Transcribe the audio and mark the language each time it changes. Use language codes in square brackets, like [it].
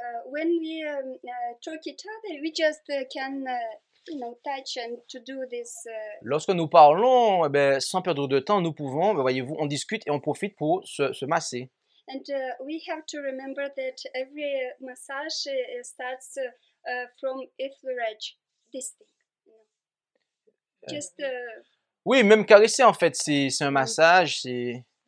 [en] When we talk each other, we just can, you know, touch and to do this. [fr] Lorsque nous parlons, eh bien, sans perdre de temps, nous pouvons, voyez-vous, on discute et on profite pour se masser. [en] And we have to remember that every massage starts from effleurage, this thing. Just. [fr] Oui, même caresser en fait, c'est un massage, c'est.